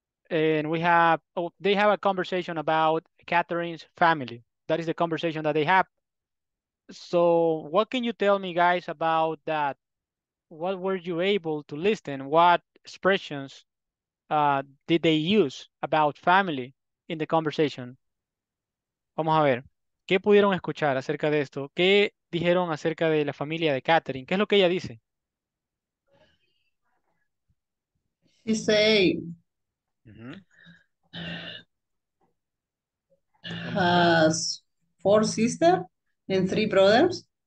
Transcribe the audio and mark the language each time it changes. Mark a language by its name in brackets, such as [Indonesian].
[English] And they have a conversation about Catherine's family. That is the conversation that they have. So what can you tell me, guys, about that? What were you able to listen? What expressions did they use about family in the conversation? [Spanish] Vamos a ver, ¿qué pudieron escuchar acerca de esto? ¿Qué dijeron acerca de la familia de Catherine? ¿Qué es lo que ella dice? [English] She say, has four sisters and three brothers.